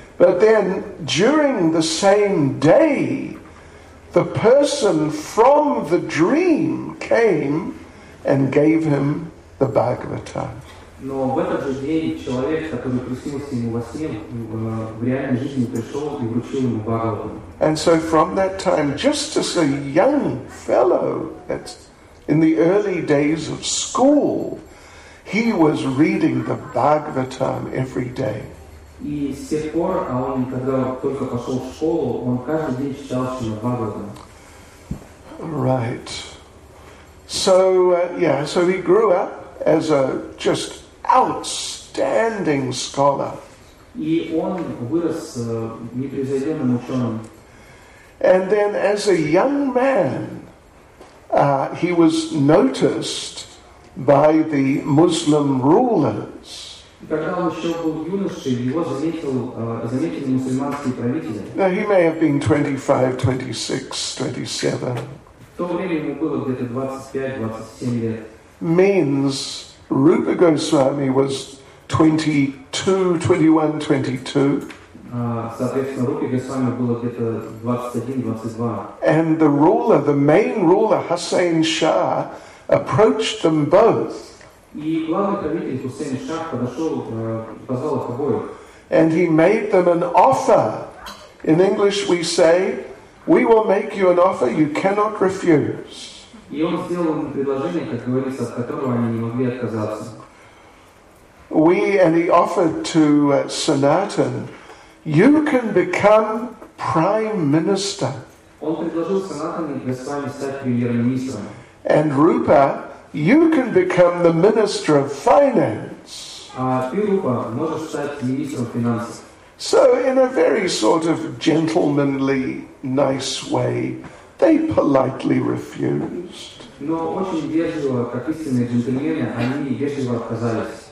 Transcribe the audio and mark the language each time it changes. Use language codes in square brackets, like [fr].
[en] But then, during the same day, the person from the dream came and gave him the Bhagavatam. [ru] Но в этот же день человек, который приснился ему во сне, в реальной жизни пришел и вручил ему Бхагаватам. [en] And so from that time, just as a young fellow, in the early days of school, he was reading the Bhagavatam every day. [ru] И с тех пор, когда только пошел в школу, он каждый день читал Шримад Бхагаватам. [en] Right. So, so he grew up as a just outstanding scholar. [ru] И он вырос непревзойденным ученым. [en] And then as a young man, he was noticed by the Muslim rulers. [ru] Когда он еще был юношей, его заметили мусульманские правители. [en] Now he may have been 25, 26, 27. [ru] В то время ему было где-то 25-27 лет. [en] Means Rupa Goswami was 22. [ru] Соответственно, Рупа Госвами было где-то 21-22. [en] And the ruler, the main ruler, Hussein Shah, approached them both. [ru] И главный правитель Хусейн Шах подошел, позвал их обоих. [en] And he made them an offer. In English we say, we will make you an offer you cannot refuse. [ru] И он сделал им предложение, как говорится, от которого они не могли отказаться. [en] And he offered to Sanatan, you can become prime minister. [ru] Он предложил Санатану Госвами стать премьер-министром. [en] And Rupa, you can become the minister of finance. [ru] Ты, Рупа, можешь стать министром финансов. [en] So in a very sort of gentlemanly, nice way, they politely refused. [ru] Но очень вежливо, как истинные джентльмены, они вежливо отказались.